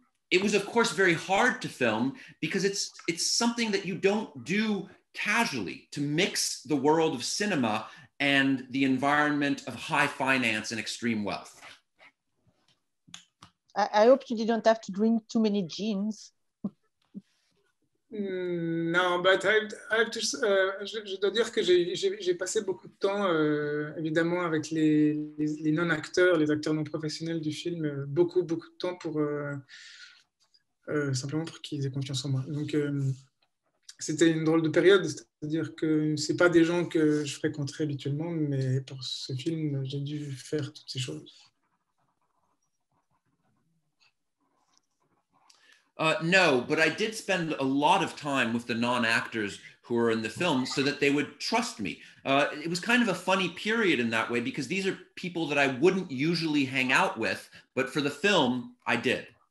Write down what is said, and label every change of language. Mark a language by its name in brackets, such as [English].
[English] It was of course very hard to film because it's something that you don't do casually to mix the world of cinema and the environment of high finance and extreme wealth. I hope you didn't have to drink too many gins. No, but [French] je dois dire que j'ai passé beaucoup de temps, évidemment, avec les non-acteurs, les acteurs non professionnels du film, beaucoup, beaucoup de temps pour simplement pour qu'ils aient confiance en moi. Donc, c'était une drôle de période, c'est-à-dire que ce n'est pas des gens que je fréquenterais habituellement, mais pour ce film, j'ai dû faire toutes ces choses. [English] No, but I did spend a lot of time with the non-actors who were in the film so that they would trust me. It was kind of a funny period in that way because these are people that I wouldn't usually hang out with, but for the film, I did.